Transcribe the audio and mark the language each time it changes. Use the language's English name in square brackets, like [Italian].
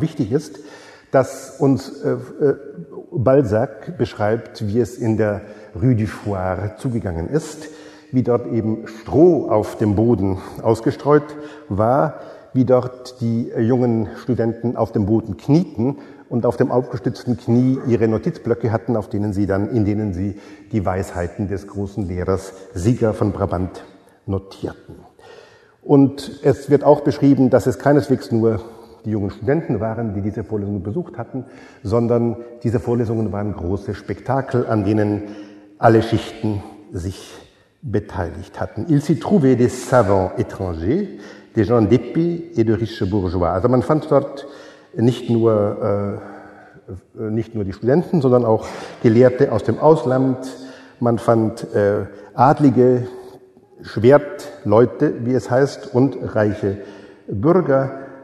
[German] Wichtig ist, dass uns Balzac beschreibt, wie es in der Rue du Fouarre zugegangen ist, wie dort eben Stroh auf dem Boden ausgestreut war, wie dort die jungen Studenten auf dem Boden knieten und auf dem aufgestützten Knie ihre Notizblöcke hatten, in denen sie die Weisheiten des großen Lehrers Sieger von Brabant notierten. Und es wird auch beschrieben, dass es keineswegs nur die jungen Studenten waren, die diese Vorlesungen besucht hatten, sondern diese Vorlesungen waren große Spektakel, an denen alle Schichten sich beteiligt hatten. [French] Il s'y trouvait des savants étrangers, des gens d'épée et de riches bourgeois. [German] Also man fand dort nicht nur die Studenten, sondern auch Gelehrte aus dem Ausland. Man fand adlige Schwertleute, wie es heißt, und reiche Bürger.